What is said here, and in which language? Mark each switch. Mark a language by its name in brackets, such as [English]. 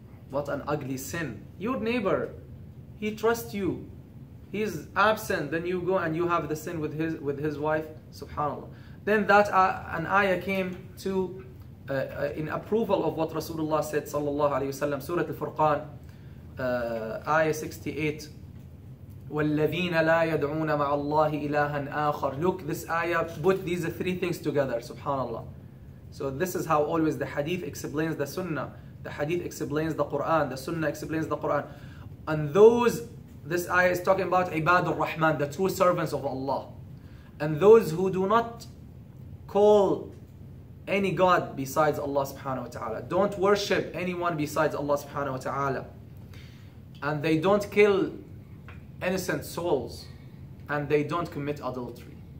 [English] What an ugly sin. Your neighbor, he trusts you. He's absent. Then you go and you have the sin with his wife. Subhanallah. Then that an ayah came to in approval of what Rasulullah said, sallallahu alayhi wa sallam, Surah Al-Furqan. [Arabic] Ayah 68, وَالَّذِينَ لَا يَدْعُونَ مَعَ اللَّهِ إِلَهًا آخَرٍ. [English] Look, this ayah put these three things together, subhanallah. So this is how always the hadith explains the sunnah, the hadith explains the Quran, the sunnah explains the Quran. And this ayah is talking about عِبَادُ الرَّحْمَن, the true servants of Allah. And those who do not call any god besides Allah subhanahu wa ta'ala, don't worship anyone besides Allah subhanahu wa ta'ala, and they don't kill innocent souls, and they don't commit adultery.